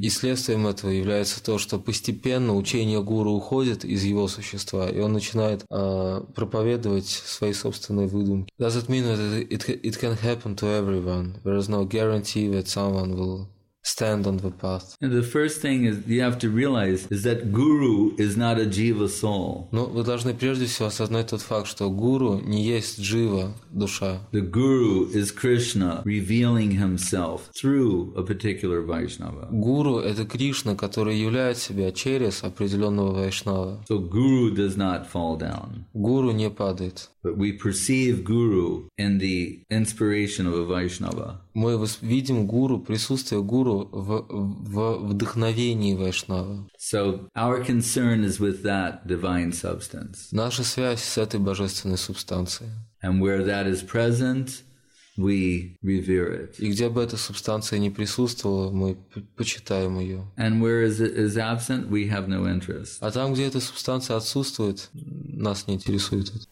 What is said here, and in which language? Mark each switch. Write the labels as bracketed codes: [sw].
[ru] И следствием этого является то, что постепенно учение гуру уходит из его существа, и он начинает проповедовать свои собственные выдумки. [en] Does it mean that it can happen to everyone? There is no guarantee that someone will stand on the path. And the first thing is you have to realize is that guru is not a jiva soul. [ru] Но вы должны прежде всего осознать тот факт, что гуру не есть джива душа. [en] The guru is Krishna revealing himself through a particular Vaishnava. [ru] Гуру это Кришна, который являет себя через определенного вайшнава. [en] So guru does not fall down. [ru] Гуру не падает. [en] But we perceive guru in the inspiration of a Vaishnava. [ru] Мы видим гуру, присутствие гуру в вдохновении вайшнава. [en] So our concern is with that divine substance. [ru] Наша связь с этой божественной субстанцией. [en] And where that is present, we revere it. [ru] И где бы эта субстанция не присутствовала, мы почитаем ее. [en] And where it is absent, we have no interest. [ru] А там, где эта субстанция отсутствует, нас не интересует это.